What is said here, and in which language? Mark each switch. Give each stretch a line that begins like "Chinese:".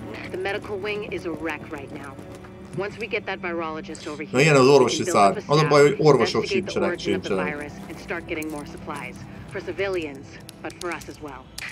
English: The medical wing is a wreck right now. Once we get that virologist over here,
Hungarian: na ilyen az orvosi szár. Az a baj, hogy orvosok sincsenek, sincsenek.
English: And start getting more supplies for civilians, but for us as well.